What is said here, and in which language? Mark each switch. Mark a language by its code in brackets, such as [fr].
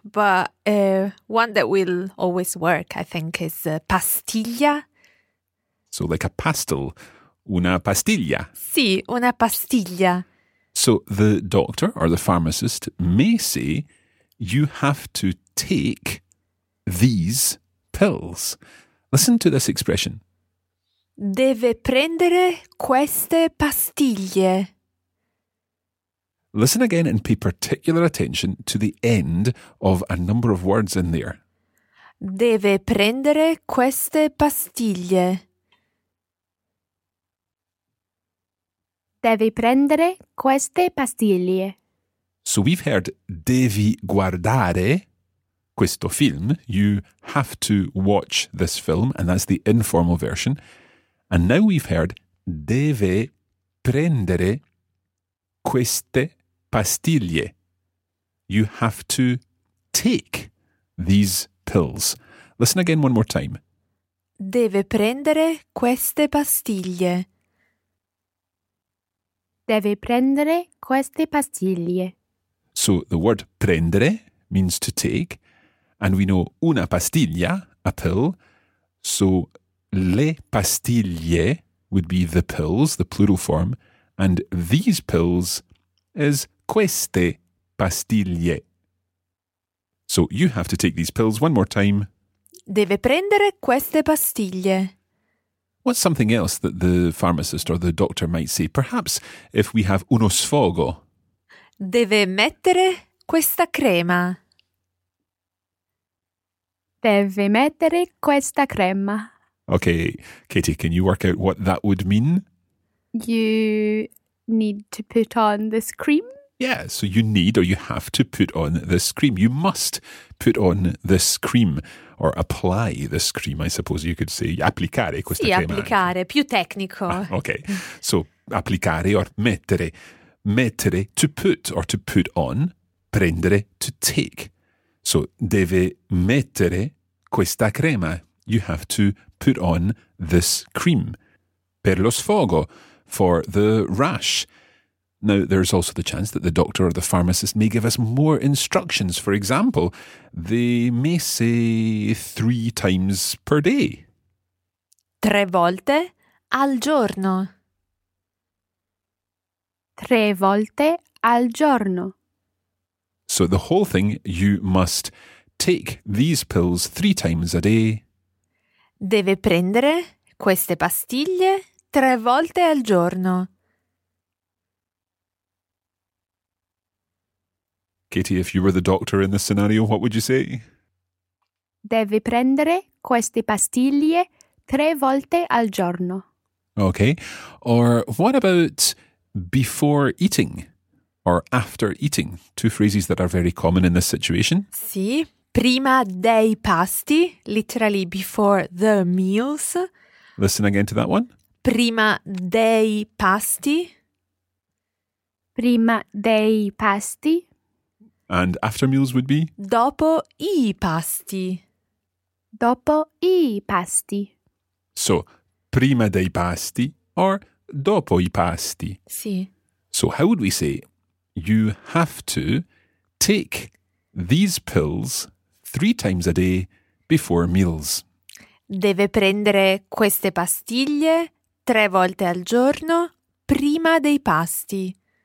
[en] But one that will always work, I think, is pastiglia. So like a pastel, [it] una pastiglia. Sì, una pastiglia. [en] So the doctor or the pharmacist may say, you have to take these pills. Listen to this expression. [it] Deve prendere queste pastiglie. [en] Listen again and pay particular attention to the end of a number of words in there. [it] Deve prendere queste pastiglie. Deve prendere queste pastiglie. [en] So we've heard, [it] devi guardare questo film. [en] You have to watch this film, and that's the informal version. And now we've heard, [it] deve prendere queste pastiglie. [en] You have to take these pills. Listen again one more time. [it] Deve prendere queste pastiglie. Deve prendere queste pastiglie. [en] So the word prendere means to take, and we know una pastiglia, a pill. So le pastiglie would be the pills, the plural form, and these pills is [it] queste pastiglie. [en] So you have to take these pills one more time. [it] Deve prendere queste pastiglie. [en] What's something else that the pharmacist or the doctor might say? Perhaps if we have [it] uno sfogo. Deve mettere questa crema. Deve mettere questa crema. [en] Okay, Katie, can you work out what that would mean? You need to put on this cream. Yeah, so you need or you have to put on this cream. You must put on this cream or apply this cream, I suppose you could say. [it] Applicare questa sì, crema. Applicare, più tecnico. [en] Ah, okay, so applicare or mettere. mettere, to put or to put on, prendere, to take. [it] So, deve mettere questa crema. [en] You have to put on this cream. [it] Per lo sfogo, [en] for the rash. Now, there's also the chance that the doctor or the pharmacist may give us more instructions. For example, they may say 3 times per day. [it] 3 volte al giorno. 3 volte al giorno. [en] So the whole thing, you must take these pills 3 times a day. [it] Deve prendere queste pastiglie 3 volte al giorno. [en] Katie, if you were the doctor in this scenario, what would you say? [it] Deve prendere queste pastiglie 3 volte al giorno. [en] Okay. Or what about before eating or after eating? 2 phrases that are very common in this situation. [it] Sì, prima dei pasti, [en] literally before the meals. Listen again to that one. [it] Prima dei pasti. Prima dei pasti. [en] And after meals would be? [it] Dopo I pasti. Dopo I pasti. So, prima dei pasti or dopo I pasti. Sì. [en] So, how would we say, you have to take these pills 3 times a day before meals? [it] Deve prendere queste pastiglie 3 volte al giorno prima dei pasti.